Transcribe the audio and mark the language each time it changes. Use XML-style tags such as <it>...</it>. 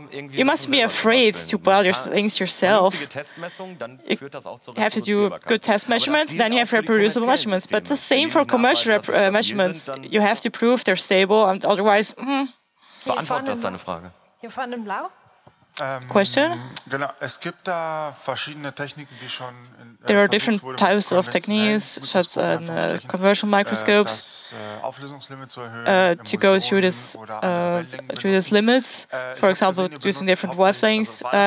<en>You must be afraid to build your things yourself. You have to do good test measurements, then you have reproducible measurements. But the same for commercial measurements. You have to prove they're stable, and otherwise,</en> <de>Beantwortet das deine Frage? Hier vorne im Blau?</de> <en>Question?</en> <de>Genau, es gibt da verschiedene Techniken, die schon</de> <en>there are different types of techniques, such as conversion microscopes, to go through this limits, for example, using different wavelengths.</en>